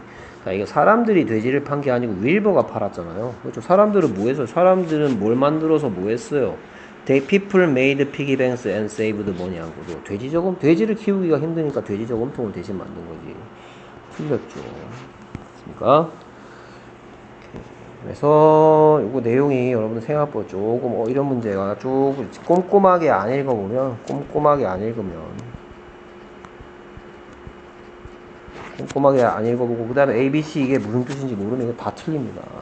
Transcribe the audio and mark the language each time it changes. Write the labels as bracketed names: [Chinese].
[Korean] 자, 이거 사람들이 돼지를 판 게 아니고 윌버가 팔았잖아요. 그렇죠. 사람들은 뭐 했어요? 사람들은 뭘 만들어서 뭐 했어요? [English] They people made piggy banks and saved money [Korean] 한 거죠. 돼지 저금, 돼지를 키우기가 힘드니까 돼지 저금통을 대신 만든 거지. 틀렸죠. 됐습니까? 그래서 요거 내용이 여러분 생각보다 조금 이런 문제가 조금 꼼꼼하게 안 읽어보면, 꼼꼼하게 안 읽어보고 그 다음에 ABC 이게 무슨 뜻인지 모르면 이거 다 틀립니다.